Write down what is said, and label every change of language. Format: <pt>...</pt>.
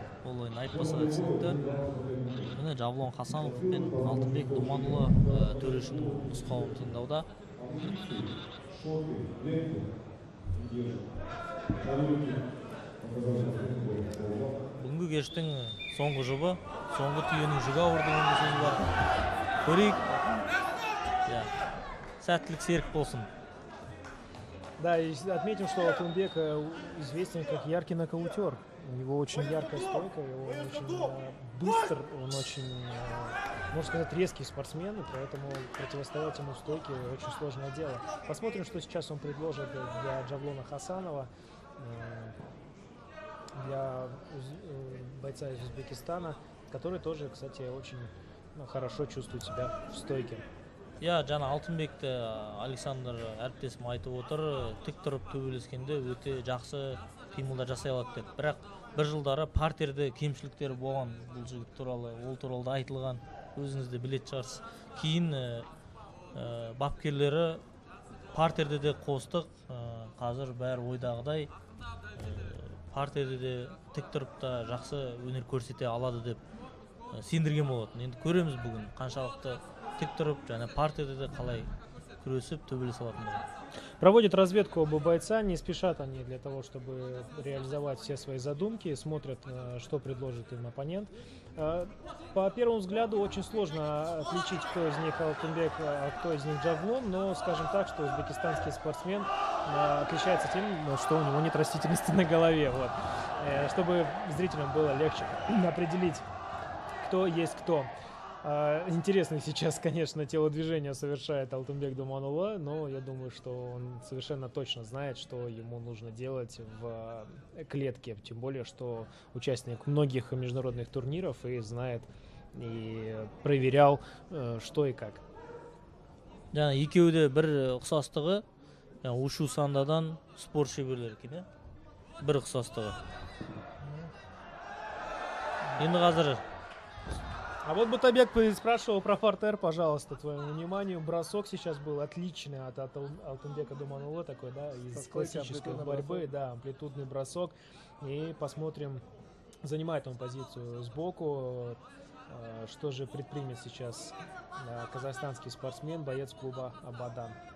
<kk>Ол ойын айтпаса да түсінікті. Міне Жавлон Хасанов пен Алтынбек Думанұлы төрешінің нұсқауын тыңдауда. Бүгінгі кештің соңғы жұбы, соңғы түйенің жүгі ауырдығының сөзі бар. Көрейік. Сәттілік серік болсын.</kk> <ru>Да, и отметим, что Алтынбек известен как яркий нокаутер. У него очень яркая стойка, он очень быстр, он очень, можно сказать, резкий спортсмен, и поэтому противостоять ему в стойке очень сложное дело. Посмотрим, что сейчас он предложит для Джавлона Хасанова, для бойца из Узбекистана, который тоже, кстати, очень хорошо чувствует себя в стойке.</ru> <kk>Я жаңа Алтынбекті Александр әріптесім айтып отыр, тік тұрып төбелескенде өте жақсы қимылдар жасай алады деп. Бірақ бір жылдары партерде кемшіліктері болған бұл жігіт туралы, ол туралы да айтылған, өзіңіз де білетін шығарсыз. Кейін бапкерлері партерде де қостық, қазір бәрі ойдағыдай, партерде де тік тұрып та жақсы өнер көрсете алады деп сендірген болатын. Енді көреміз бүгін қаншалықты тік тұрып, және партияда да қалай күресіп төбелес алатындығын.</kk> <ru>Проводит разведку оба бойца, не спешат они для того, чтобы реализовать все свои задумки, смотрят, что предложит им оппонент. По первому взгляду очень сложно отличить, кто из них Алтынбек, а кто из них Джавлон, но скажем так, что узбекистанский спортсмен отличается тем, что у него нет растительности на голове. Вот. Чтобы зрителям было легче определить, кто есть кто. Интересно сейчас, конечно, телодвижение совершает Алтынбек Думанұлы, но я думаю, что он совершенно точно знает, что ему нужно делать в клетке, тем более, что участник многих международных турниров и знает, и проверял, что и как.</ru> <kk>Да, екеуде бір ұқсастығы, ұшу сандадан спор шеберлер екен, бір ұқсастығы. Енді қазір.</kk> <ru>А вот Бутабек спрашивал про фортер, пожалуйста, твоему вниманию. Бросок сейчас был отличный от Алтынбека Думанұлы, такой, да, из классической борьбы, бросок. Да, амплитудный бросок. И посмотрим, занимает он позицию сбоку, что же предпримет сейчас казахстанский спортсмен, боец клуба Абадан.</ru>